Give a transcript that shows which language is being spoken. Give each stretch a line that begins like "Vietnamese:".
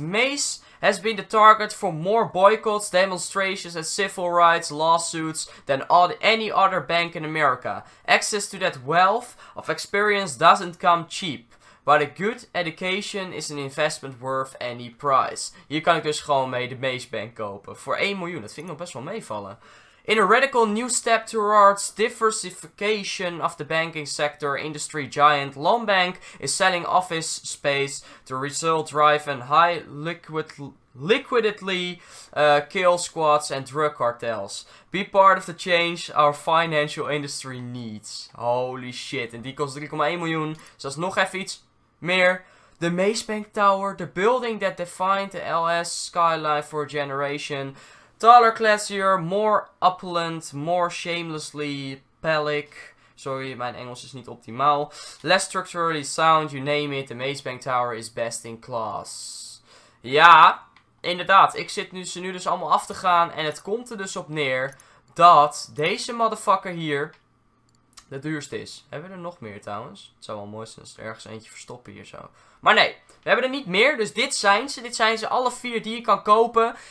English: Maze has been the target for more boycotts, demonstrations and civil rights lawsuits than any other bank in America. Access to that wealth of experience doesn't come cheap. But a good education is an investment worth any price.
Dutch: Hier kan ik dus gewoon mee de Maze Bank kopen. Voor 1 miljoen, dat vind ik nog best wel meevallen.
English: In a radical new step towards diversification of the banking sector, industry giant Lombank is selling office space to result drive and high liquidity kill squads and drug cartels. Be part of the change our financial industry needs. Holy shit,
Dutch: en die kost 3,1 miljoen, dus dat is nog even iets meer.
English: The Maze Bank Tower, the building that defined the LS skyline for a generation. Taller, classier, more opulent, more shamelessly pelic,
Dutch: Sorry, mijn Engels is niet optimaal.
English: Less structurally sound, you name it. The Maze Bank Tower is best in class.
Dutch: Ja, inderdaad. Ik zit ze nu dus allemaal af te gaan. En het komt er dus op neer dat deze motherfucker hier de duurste is. Hebben we er nog meer trouwens? Het zou wel mooi zijn als er ergens eentje verstoppen hier zo. Maar nee, we hebben er niet meer. Dus dit zijn ze. Dit zijn ze alle vier die je kan kopen.